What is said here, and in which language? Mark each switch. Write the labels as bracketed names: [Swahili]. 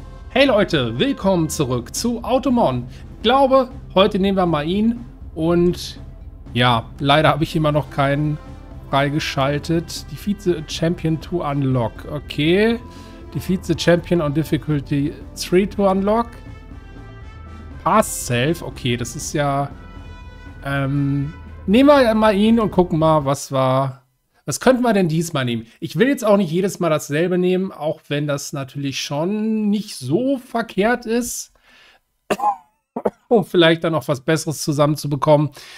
[German] Hey Leute, willkommen zurück zu Automon. Ich glaube, heute nehmen wir mal ihn. Und ja, leider habe ich immer noch keinen freigeschaltet. [English] Defeat the Champion to unlock. Okay. Defeat the Champion on Difficulty 3 to unlock. [German] Pass Self. Okay, das ist ja... nehmen wir mal ihn und gucken mal, was war... Was könnten wir denn diesmal nehmen? Ich will jetzt auch nicht jedes Mal dasselbe nehmen, auch wenn das natürlich schon nicht so verkehrt ist, um vielleicht dann auch was Besseres zusammenzubekommen.